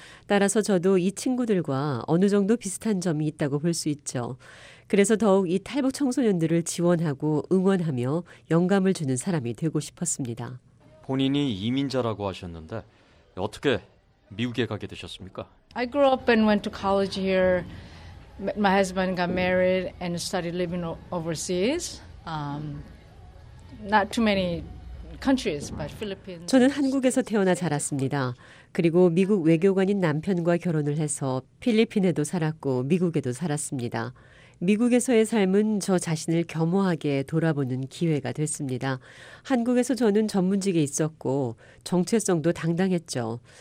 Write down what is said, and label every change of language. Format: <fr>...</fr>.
<ko>따라서 저도 이 친구들과 어느 정도 비슷한 점이 있다고 볼 수 있죠. 그래서 더욱 이 탈북 청소년들을 지원하고 응원하며 영감을 주는 사람이 되고 싶었습니다. 본인이 이민자라고 하셨는데 어떻게 미국에 가게 되셨습니까?</ko> <en>I grew up and went to college here. My husband got married and started living overseas. Not too many countries, but Philippines.</en> <ko>저는 한국에서 태어나 자랐습니다. 그리고 미국 외교관인 남편과 결혼을 해서 필리핀에도 살았고 미국에도 살았습니다. 미국에서의 삶은 저 자신을 겸허하게 돌아보는 기회가 됐습니다. 한국에서 저는 전문직에 있었고 정체성도 당당했죠.</ko>